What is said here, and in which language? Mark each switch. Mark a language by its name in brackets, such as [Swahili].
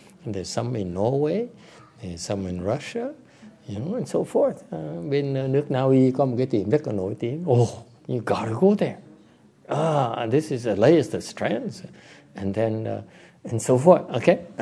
[English] There's some in Norway, there's some in Russia, you know, and so forth. [Vietnamese] Bên nước Na Uy có một cái tiệm rất là nổi tiếng. [English] Oh, you gotta go there. Ah, this is the latest trends, and then and so forth. Okay.